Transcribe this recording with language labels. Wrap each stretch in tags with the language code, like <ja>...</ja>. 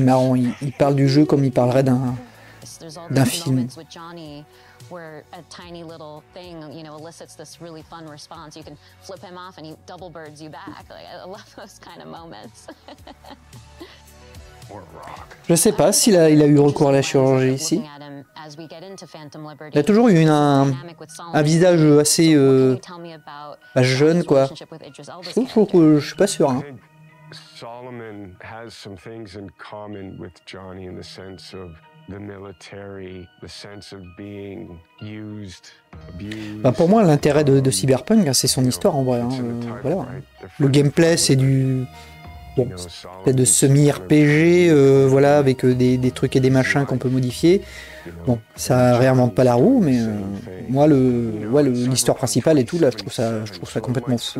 <fr>marrant, il parle du jeu comme il parlerait d'un film.</fr> <en>Where a tiny little thing, you know, elicits this really fun response. You can flip him off and he double birds you back. Like, I love those kind of moments.</en> <fr>Je sais pas s'il a eu recours à la chirurgie ici. Il a toujours eu un visage assez jeune, quoi. Je suis pas sûr. Hein.</fr> <en>Solomon has some things in common with Johnny in the sense of the military, the sense of being used, abused.</en> <fr>Bah pour moi, l'intérêt de Cyberpunk, c'est son histoire en vrai. Hein. Voilà. Le gameplay, c'est du. Bon, c'est de semi-RPG, voilà, avec des trucs et des machins qu'on peut modifier. Bon, ça réinvente pas la roue, mais moi, l'histoire principale et tout, là, je trouve ça complètement fou.</fr>